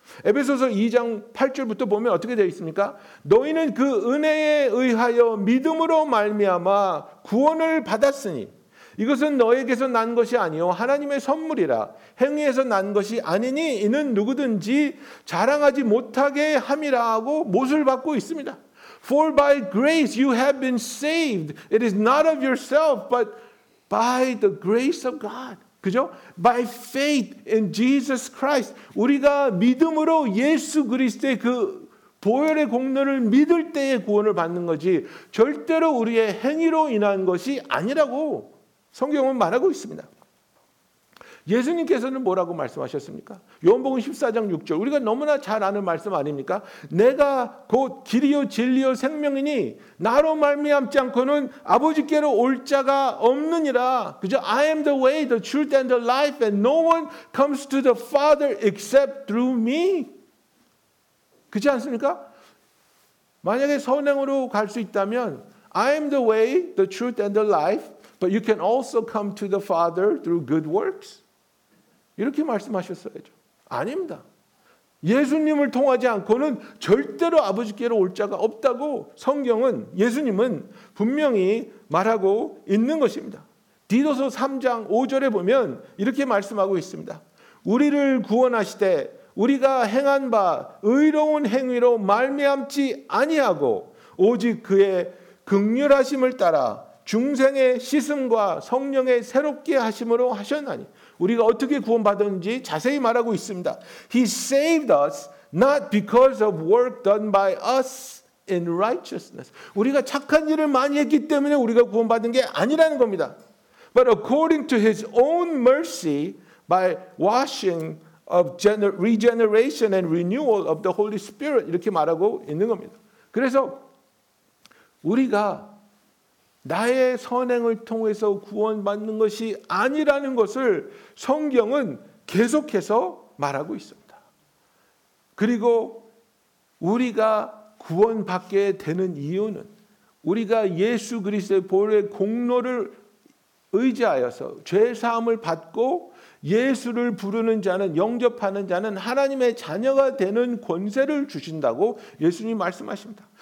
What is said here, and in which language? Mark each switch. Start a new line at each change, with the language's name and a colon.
Korean: 에베소서 2장 8절부터 보면 어떻게 되어 있습니까? 너희는 그 은혜에 의하여 믿음으로 말미암아 구원을 받았으니 이것은 너에게서 난 것이 아니오 하나님의 선물이라 행위에서 난 것이 아니니 이는 누구든지 자랑하지 못하게 함이라 하고 못을 받고 있습니다.
English: For by grace you have been saved. It is not of yourself but by the grace of God.
Korean: 그죠?
English: By faith in Jesus Christ.
Korean: 우리가 믿음으로 예수 그리스도의 그 보혈의 공로를 믿을 때에 구원을 받는 거지 절대로 우리의 행위로 인한 것이 아니라고 성경은 말하고 있습니다. 예수님께서는 뭐라고 말씀하셨습니까? 요한복음 14장 6절 우리가 너무나 잘 아는 말씀 아닙니까? 내가 곧 길이요 진리요 생명이니 나로 말미암지 않고는 아버지께로 올 자가 없느니라. 그죠?
English: I am the way, the truth and the life and no one comes to the Father except through me.
Korean: 그렇지 않습니까? 만약에 선행으로 갈 수 있다면
English: I am the way, the truth and the life but you can also come to the Father through good works.
Korean: 이렇게 말씀하셨어야죠. 아닙니다. 예수님을 통하지 않고는 절대로 아버지께로 올 자가 없다고 성경은 예수님은 분명히 말하고 있는 것입니다. 디도서 3장 5절에 보면 이렇게 말씀하고 있습니다. 우리를 구원하시되 우리가 행한 바 의로운 행위로 말미암지 아니하고 오직 그의 긍휼하심을 따라 중생의 씻음과 성령의 새롭게 하심으로 하셨나니 우리가 어떻게 구원받았는지 자세히 말하고 있습니다.
English: He saved us not because of work done by us in righteousness.
Korean: 우리가 착한 일을 많이 했기 때문에 우리가 구원받은 게 아니라는 겁니다.
English: But according to his own mercy by washing of regeneration and renewal of the Holy Spirit
Korean: 이렇게 말하고 있는 겁니다. 그래서 우리가 나의 선행을 통해서 구원받는 것이 아니라는 것을 성경은 계속해서 말하고 있습니다. 그리고 우리가 구원받게 되는 이유는 우리가 예수 그리스도의 보혈의 공로를 의지하여서 죄사함을 받고 예수를 부르는 자는 영접하는 자는 하나님의 자녀가 되는 권세를 주신다고 예수님 말씀하십니다.